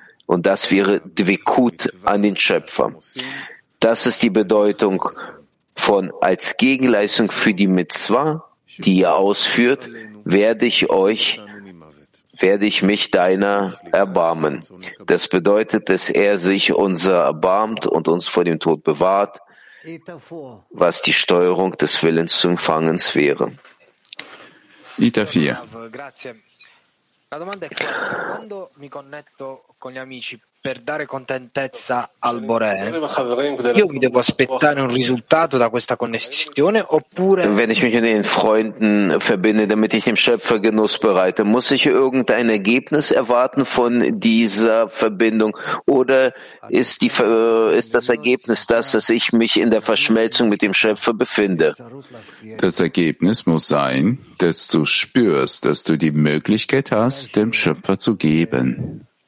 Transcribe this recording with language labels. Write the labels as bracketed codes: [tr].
[de] Und das wäre Dvekut an den Schöpfer. Das ist die Bedeutung von als Gegenleistung für die Mitzwa, die ihr ausführt, werde ich mich deiner erbarmen. Das bedeutet, dass er sich unser erbarmt und uns vor dem Tod bewahrt, was die Steuerung des Willens zu empfangen wäre. Ita 4. [it] La domanda è questa: quando mi connetto con gli amici per dare contentezza al Borè, io mi devo aspettare un risultato da questa connessione oppure? [de] Wenn ich mich mit den Freunden verbinde, damit ich dem Schöpfer Genuss bereite, muss ich irgendein Ergebnis erwarten von dieser Verbindung? Oder ist das Ergebnis das, dass ich mich in der Verschmelzung mit dem Schöpfer befinde? Das Ergebnis muss sein, dass du spürst, dass du die Möglichkeit hast, dem Schöpfer zu geben.